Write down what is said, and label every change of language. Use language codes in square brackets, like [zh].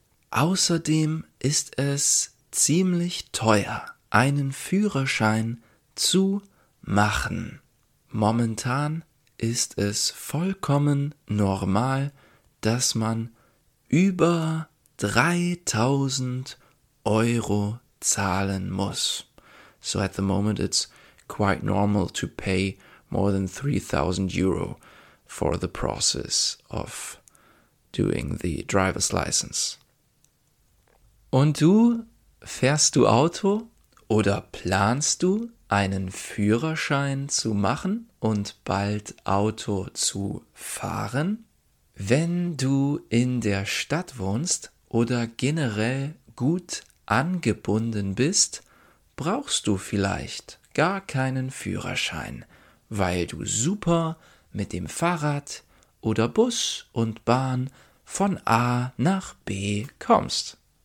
[de] Außerdem ist es ziemlich teuer, einen Führerschein zu machen. Momentan ist es vollkommen normal, dass man über 3.000 Euro zahlen muss. [en] So at the moment it's quite normal to pay more than 3.000 Euro for the process of doing the driver's license. [de] Und du, fährst du Auto oder planst du, einen Führerschein zu machen und bald Auto zu fahren? Wenn du in der Stadt wohnst oder generell gut angebunden bist, brauchst du vielleicht gar keinen Führerschein, weil du super mit dem Fahrrad oder Bus und Bahn von A nach B kommst.